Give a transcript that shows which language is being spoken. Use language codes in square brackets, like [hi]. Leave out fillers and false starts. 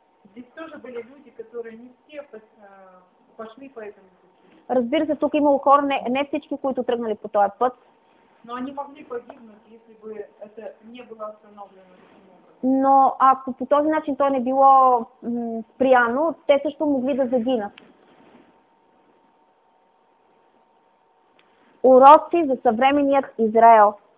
[ru] Здесь тоже были люди, которые не все пошли по этому пути. [bg] Разбира се, тук имало хора, не всички, които тръгнали по този път. [ru] Но они могли погибнуть, если бы это не было установлено. [bg] Но ако по този начин то не било спряно, те също могли да загинат. Уроци за съвременният Израел.